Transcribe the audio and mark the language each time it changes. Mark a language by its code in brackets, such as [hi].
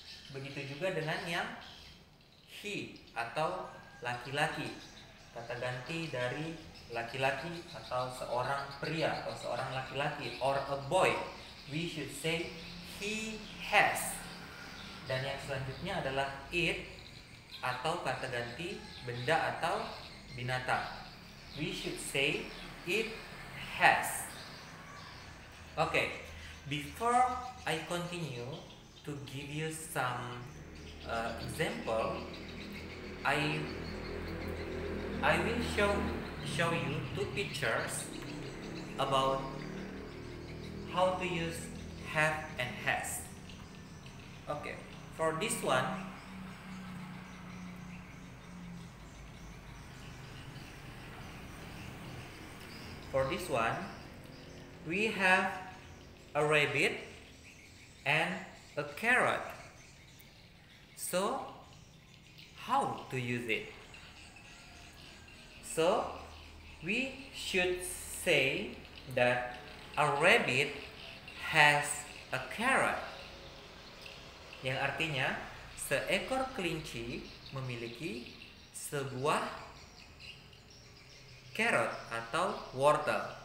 [id] Begitu juga dengan yang he atau laki-laki, kata ganti dari laki-laki atau seorang pria atau seorang laki-laki [en] or a boy, we should say he has. [id] Dan yang selanjutnya adalah it atau kata ganti benda atau binatang, [en] we should say it has. Okay, before I continue to give you some example, I will show you two pictures about how to use have and has. Okay, for this one, we have a rabbit and a carrot. So, how to use it? So, we should say that a rabbit has a carrot. [id] Yang artinya, seekor kelinci memiliki sebuah carrot atau wortel.